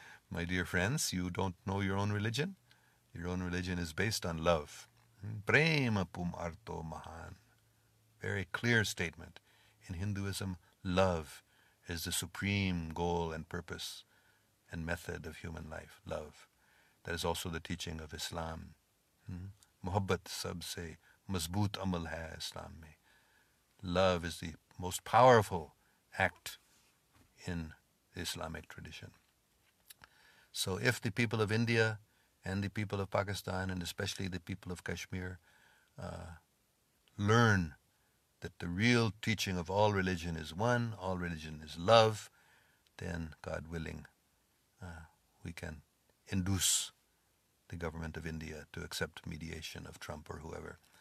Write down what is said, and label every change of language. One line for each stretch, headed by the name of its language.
English: My dear friends, you don't know your own religion. Your own religion is based on love.
Sanskrit: Prema pum arto mahan.
English: Very clear statement. In Hinduism, love is the supreme goal and purpose and method of human life. Love. That is also the teaching of Islam.
Urdu: محبت سب سے مضبوط عمل ہے اسلام میں.
English: Love is the most powerful act in the Islamic tradition. So if the people of India and the people of Pakistan and especially the people of Kashmir learn that the real teaching of all religion is one, all religion is love, then God willing, we can induce the government of India to accept mediation of Trump or whoever.